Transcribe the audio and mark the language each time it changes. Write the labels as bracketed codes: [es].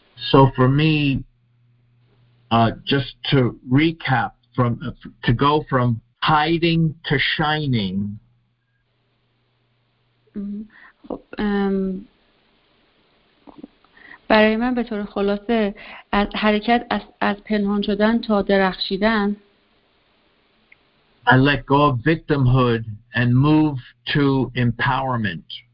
[en] So for me, just to recap, from to go from hiding to shining. [fa] خب برای من به طور خلاصه از حرکت از پنهان شدن تا درخشیدن، [en] I let go of victimhood and move to empowerment.